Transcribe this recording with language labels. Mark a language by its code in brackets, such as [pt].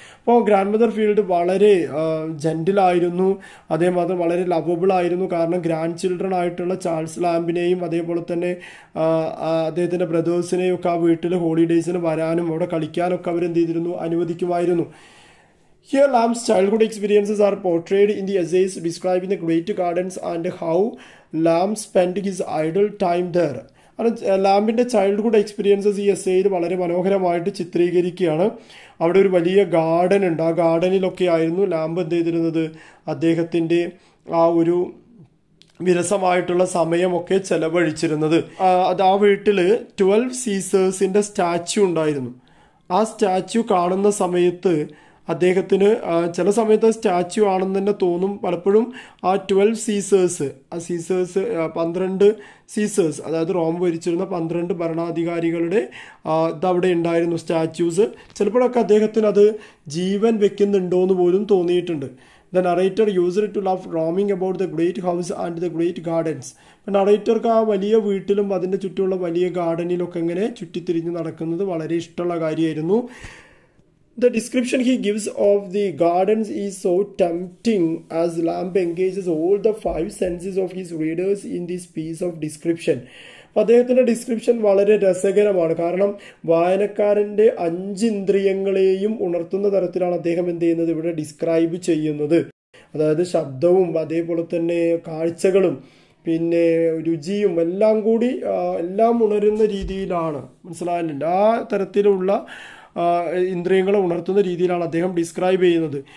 [ml] അപ്പോൾ grand mother field വളരെ ജെൻറ്റിലായിരുന്നു, അതേമാതിരി വളരെ ലവബിൾ ആയിരുന്നു. കാരണം ഗ്രാൻഡ് ചിൽഡ്രൻ ആയിട്ടുള്ള ചാൾസ് ലാംബിനെയും അതേപോലെ തന്നെ അദ്ദേഹത്തിൻ്റെ ബ്രദേഴ്സിനെയും ഒക്കെ ആ വീട്ടിൽ ഹോളിഡേയ്സിന് വരാനും അവിടെ കളിക്കാനൊക്കെ അവരെന്ത് ചെയ്തിരുന്നു, അനുവദിക്കുമായിരുന്നു. [en] Here Lamb's childhood experiences are portrayed in the essays describing the great gardens and how Lamb spent his idle time there. [ml] അത് ലാമ്പിൻ്റെ ചൈൽഡ്ഹുഡ് എക്സ്പീരിയൻസസ് ഈ എസ്സേയിൽ വളരെ മനോഹരമായിട്ട് ചിത്രീകരിക്കുകയാണ്. അവിടെ ഒരു വലിയ ഗാർഡൻ ഉണ്ട്, ആ ഗാർഡനിലൊക്കെ ആയിരുന്നു ലാമ്പ് എന്ത് ചെയ്തിരുന്നത്, അദ്ദേഹത്തിൻ്റെ ആ ഒരു വിരസമായിട്ടുള്ള സമയമൊക്കെ ചെലവഴിച്ചിരുന്നത്. അത് ആ വീട്ടിൽ 12 സീസേഴ്സിൻ്റെ സ്റ്റാച്യു ഉണ്ടായിരുന്നു. ആ സ്റ്റാച്യു കാണുന്ന സമയത്ത് അദ്ദേഹത്തിന് ചില സമയത്ത് സ്റ്റാച്യു ആണെന്ന് തന്നെ തോന്നും. പലപ്പോഴും ആ 12 സീസേഴ്സ്, ആ സീസേഴ്സ് 12 സീസേഴ്സ്, അതായത് റോം ഭരിച്ചിരുന്ന 12 ഭരണാധികാരികളുടെ ഇതവിടെ ഉണ്ടായിരുന്നു സ്റ്റാച്യൂസ്. ചിലപ്പോഴൊക്കെ അദ്ദേഹത്തിന് അത് ജീവൻ വെക്കുന്നുണ്ടോയെന്ന് പോലും തോന്നിയിട്ടുണ്ട്. [en] The narrator use to love roaming about the great house and the great gardens. [ml] ഇപ്പം നറേറ്റർക്ക് ആ വലിയ വീട്ടിലും അതിൻ്റെ ചുറ്റുമുള്ള വലിയ ഗാർഡനിലൊക്കെ ഇങ്ങനെ ചുറ്റിത്തിരിഞ്ഞ് നടക്കുന്നത് വളരെ ഇഷ്ടമുള്ള കാര്യമായിരുന്നു. [en] The description he gives of the gardens is so tempting as Lamb engages all the 5 senses of his readers in this piece of description. [ml] അദ്ദേഹത്തിൻ്റെ ഡിസ്ക്രിപ്ഷൻ വളരെ രസകരമാണ്, കാരണം വായനക്കാരൻ്റെ 5 ഇന്ദ്രിയങ്ങളെയും ഉണർത്തുന്ന തരത്തിലാണ് അദ്ദേഹം എന്ത് ചെയ്യുന്നത്, ഇവിടെ ഡിസ്ക്രൈബ് ചെയ്യുന്നത്. അതായത് ശബ്ദവും അതേപോലെ തന്നെ കാഴ്ചകളും പിന്നെ രുചിയും എല്ലാം കൂടി എല്ലാം ഉണരുന്ന രീതിയിലാണ്, മനസ്സിലായില്ല, ആ തരത്തിലുള്ള ഇന്ദ്രിയങ്ങളെ ഉണർത്തുന്ന രീതിയിലാണ് അദ്ദേഹം ഡിസ്ക്രൈബ് ചെയ്യുന്നത്.